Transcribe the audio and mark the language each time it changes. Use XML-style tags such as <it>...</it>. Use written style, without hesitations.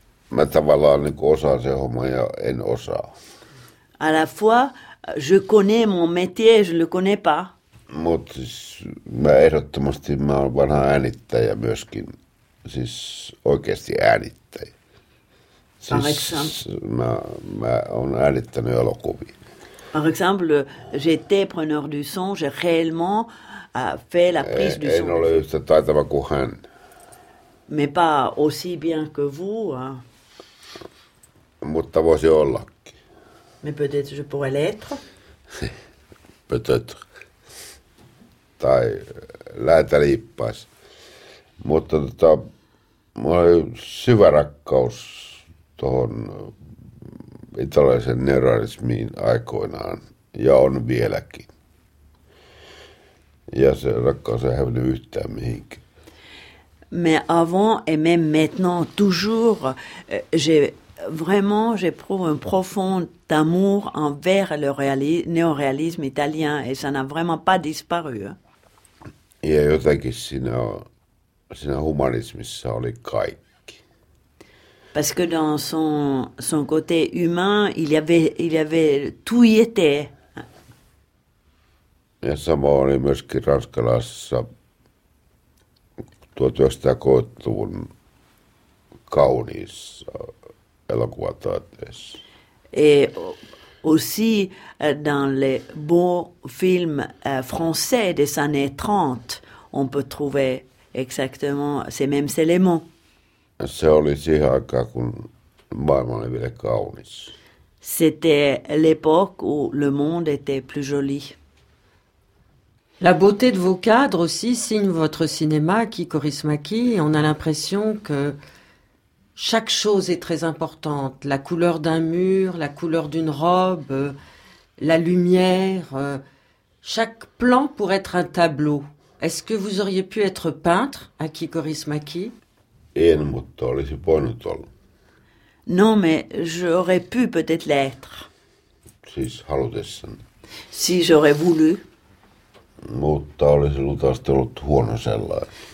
<fi>Mä tavallaan niin kuin osaan sen homman ja en osaa.</fi> <fr>À la fois, je connais mon métier, je le connais pas.</fr> <fi>Mutta siis mä ehdottomasti, mä oon vanha äänittäjä myöskin, siis oikeasti äänittäjä. Siis mä oon äänittänyt elokuvia.</fi> <fr>Par exemple, j'étais preneur du son, j'ai réellement fait la prise du son.</fr> <fi>En ole yhtä taitava kuin hän.</fi> <fr>Mais pas aussi bien que vous, hein.</fr> <fi>Mutta voisi ollakin.</fi> <fr>Mais peut-être je pourrais l'être. Peut-être.</fr> <fi>Tai läätä liippaisi. Mutta minulla oli syvä rakkaus tuohon italialaisen neorealismiin aikoinaan. Ja on vieläkin. Ja se rakkaus ei hävinnyt yhtään mihinkään.</fi> <fr>Mais avant et même maintenant, toujours, j'ai vraiment, j'éprouve un profond amour envers le néo-réalisme italien et ça n'a vraiment pas disparu.</fr> <fi>Ja jotenkin siinä humanismissa oli kaikki.</fi> <fr>Parce que dans son côté humain, il y avait tout y était.</fr> <fi>Ja sama oli myöskin ranskalaisessa 1900-luvun kauniissa elokuvataiteessa.</fi> <fr>Et aussi dans les beaux films français des années 30, on peut trouver exactement ces mêmes éléments.</fr> <fi>Se oli siihen aikaan, kun maailma oli vielä kaunis.</fi> <fr>C'était l'époque où le monde était plus joli. La beauté de vos cadres aussi signe votre cinéma, Aki Korismaki. On a l'impression que chaque chose est très importante. La couleur d'un mur, la couleur d'une robe, la lumière. Chaque plan pourrait être un tableau. Est-ce que vous auriez pu être peintre, Aki Korismaki?</fr> <fi>En, mutta olisi voinut olla.</fi> <fr>Non, mais j'aurais pu peut-être l'être.</fr> <fi>Siis halutessani.</fi> <fr>Si j'aurais voulu.</fr> <fi>Mutta olisi luultavasti ollut huono sellainen.</fi>